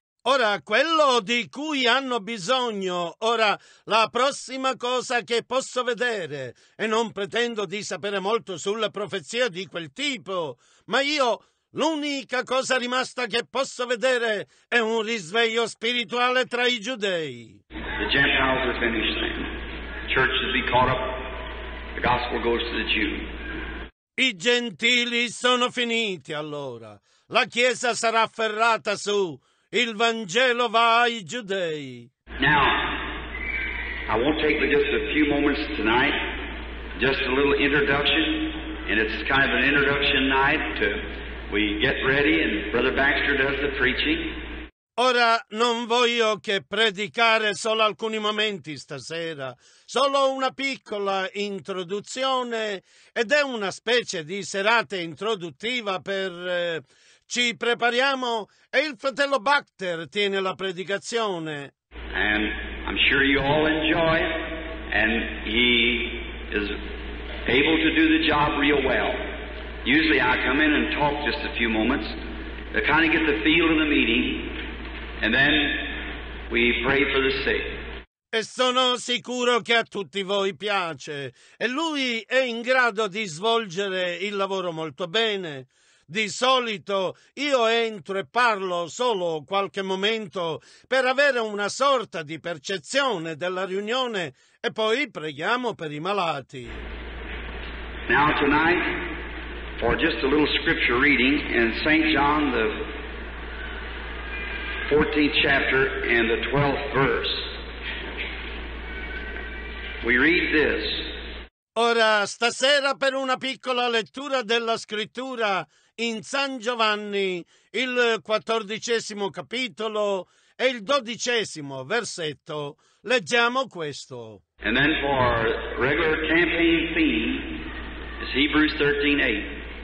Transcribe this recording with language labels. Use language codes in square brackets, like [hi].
[it] Ora, quello di cui hanno bisogno, ora, la prossima cosa che posso vedere, e non pretendo di sapere molto sulla profezia di quel tipo, ma io, l'unica cosa rimasta che posso vedere è un risveglio spirituale tra i giudei. [en] The Gentiles are finished then. Churches be caught up, the gospel goes to the Jew. [it] I gentili sono finiti, allora. La Chiesa sarà afferrata su. Il Vangelo va ai giudei. [en] Now, I won't take but just a few moments tonight, just a little introduction, and it's kind of an introduction night to we get ready and Brother Baxter does the preaching. [it] Ora non voglio che predicare solo alcuni momenti stasera, solo una piccola introduzione ed è una specie di serata introduttiva per... Ci prepariamo e il fratello Baxter tiene la predicazione. [en] And I'm sure you all enjoy it, and he is able to do the job real well. Usually I come in and talk just a few moments to kind of get the feel of the meeting, and then we pray for the sick. [it] E sono sicuro che a tutti voi piace, e lui è in grado di svolgere il lavoro molto bene. Di solito io entro e parlo solo qualche momento per avere una sorta di percezione della riunione e poi preghiamo per i malati. [en] Now tonight, for just a little scripture reading in St. John, the 14th chapter and the 12th verse, we read this. [it] Ora, stasera per una piccola lettura della scrittura in San Giovanni, il 14° capitolo e il 12° versetto, leggiamo questo. [en] And then for our regular campaign theme is Hebrews 13:8.